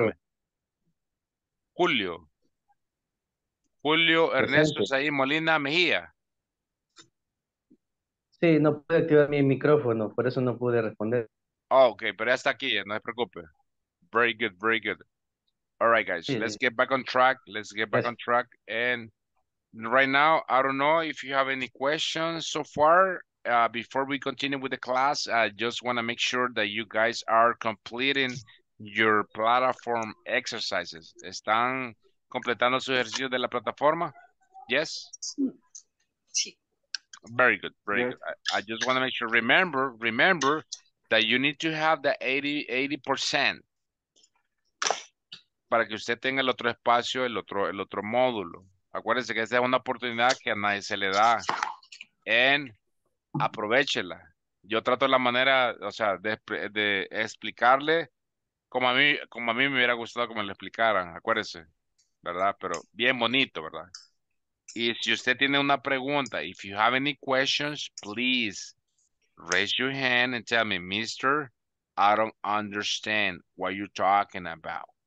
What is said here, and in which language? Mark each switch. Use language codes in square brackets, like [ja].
[es] Dígame. Julio. Julio Ernesto Saí Molina Mejía. Sí, no pude activar mi micrófono, por eso no pude responder. Oh, okay, pero ya está aquí, no se preocupe. [en] Very good, very good. All right, guys, [es] sí, [en] let's get back on track. Let's get back on track. And right now, I don't know if you have any questions so far. Before we continue with the class, I just want to make sure that you guys are completing your platform exercises. [es] ¿Están completando su ejercicio de la plataforma? [en] Yes? [es] Sí. [en] Very good, very good. I just want to make sure, remember that you need to have the 80% [es] para que usted tenga el otro espacio, el otro módulo. Acuérdense que esta es una oportunidad que a nadie se le da. And aprovechela. Yo trato la manera, o sea, de explicarle como a mí me hubiera gustado que me lo explicaran, acuérdense, ¿verdad? Pero bien bonito, ¿verdad? Y si usted tiene una pregunta, [en] if you have any questions, please raise your hand and tell me, Mister, I don't understand what you're talking about.